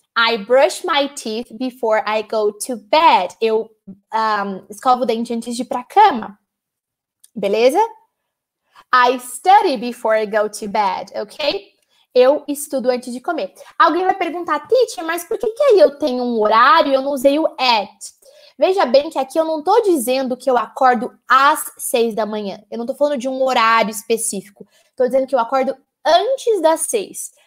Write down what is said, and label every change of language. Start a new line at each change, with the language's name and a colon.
English: I brush my teeth before I go to bed.
Portuguese: Eu escovo o dente antes de ir para a cama. Beleza?
English: I study before I go to bed, ok?
Portuguese: Eu estudo antes de comer. Alguém vai perguntar, teacher, mas por que, que aí eu tenho um horário e eu não usei o at? Veja bem que aqui eu não estou dizendo que eu acordo às 6 da manhã. Eu não estou falando de um horário específico. Estou dizendo que eu acordo antes das 6.